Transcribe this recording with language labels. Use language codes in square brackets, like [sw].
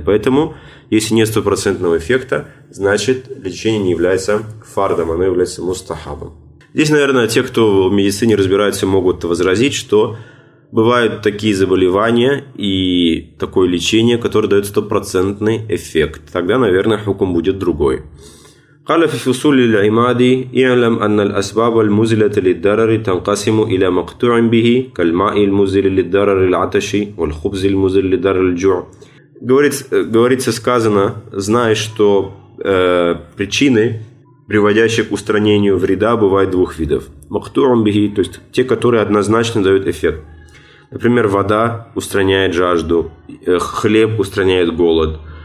[ru] Поэтому, если нет стопроцентного эффекта, значит, лечение не является фардом, оно является мустахабом. Здесь, наверное, те, кто в медицине разбирается, могут возразить, что бывают такие заболевания и такое лечение, которое дает стопроцентный эффект. Тогда, наверное, хукм будет другой. [ar] قال في فصول العماد اعلم أن الأسباب المزيلة للضرر تنقسم إلى مقطوع به كالماء المزيل للضرر العطش والخبز المزيل للضرر الجوع. [ru] Говорится, сказано, зная, что причины, приводящие к устранению вреда, бывают двух видов. Мактуум бихи, то есть те, которые однозначно дают эффект. Например, вода устраняет жажду, хлеб устраняет голод.